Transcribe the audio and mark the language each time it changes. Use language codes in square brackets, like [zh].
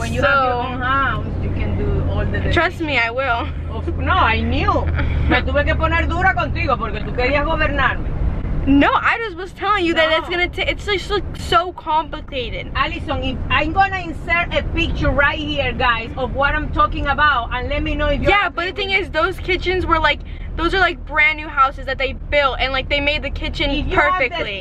[en] when you have your own house, you can do all the trust me, I will. No, I knew. [es] Me tuve que poner dura contigo porque tú querías gobernarme. [en] No, I just was telling you that it's gonna take, it's just like so complicated. Allison, if I'm gonna insert a picture right here, guys, of what I'm talking about, and let me know if you're yeah, but the thing is, those kitchens were like, those are like brand new houses that they built, and like they made the kitchen perfectly.